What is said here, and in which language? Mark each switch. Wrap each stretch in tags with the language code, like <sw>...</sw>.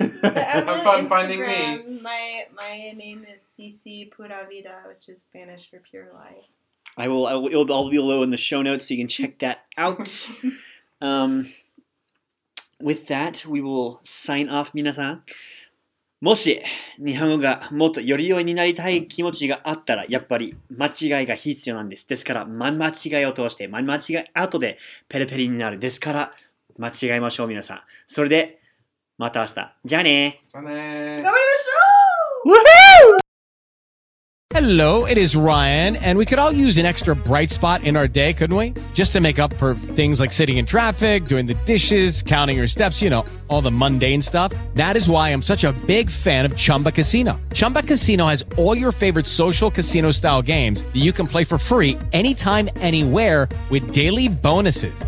<en>have fun Instagram, finding me! My name is CC Pura Vida, which is Spanish for pure life. I'll be below in the show notes, so you can check that out. With that, we will sign off, 皆さん。</en> <ja>もし、日本語がもっとより良いになりたい気持ちがあったら、やっぱり間違いが必要なんです。ですから、間違いを通して、間違い後でペリペリになる。ですから、間違いましょう、皆さん。それで、また明日。じゃあね。頑張りましょう。</ja> <en>Hello, it is Ryan, and we could all use an extra bright spot in our day, couldn't we? Just to make up for things like sitting in traffic, doing the dishes, counting your steps, you know, all the mundane stuff. That is why I'm such a big fan of Chumba Casino. Chumba Casino has all your favorite social casino-style games that you can play for free anytime, anywhere with daily bonuses.</en>